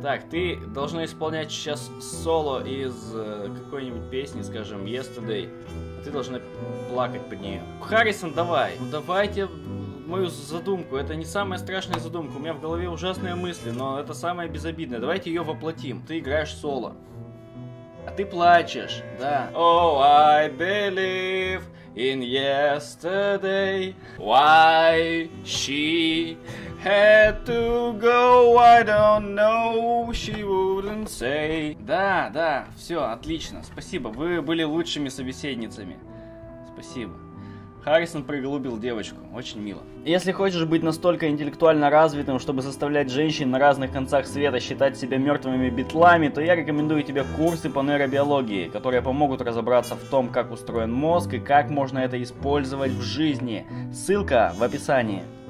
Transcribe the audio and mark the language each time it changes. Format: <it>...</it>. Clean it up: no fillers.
<ru>Так, ты должна исполнять сейчас соло из какой-нибудь песни, скажем, Yesterday. Ты должна плакать под нее. Харрисон, давай. Ну, давайте... мою задумку. Это не самая страшная задумка. У меня в голове ужасные мысли, но это самое безобидное. Давайте ее воплотим. Ты играешь соло. А ты плачешь, да.</ru> <en>Oh, I believe in yesterday. Why she had to go, I don't know, she wouldn't say.</en> <ru>Да, да, все, отлично. Спасибо, вы были лучшими собеседницами. Спасибо. Харрисон приголубил девочку. Очень мило. Если хочешь быть настолько интеллектуально развитым, чтобы заставлять женщин на разных концах света считать себя мертвыми битлами, то я рекомендую тебе курсы по нейробиологии, которые помогут разобраться в том, как устроен мозг и как можно это использовать в жизни. Ссылка в описании.</ru>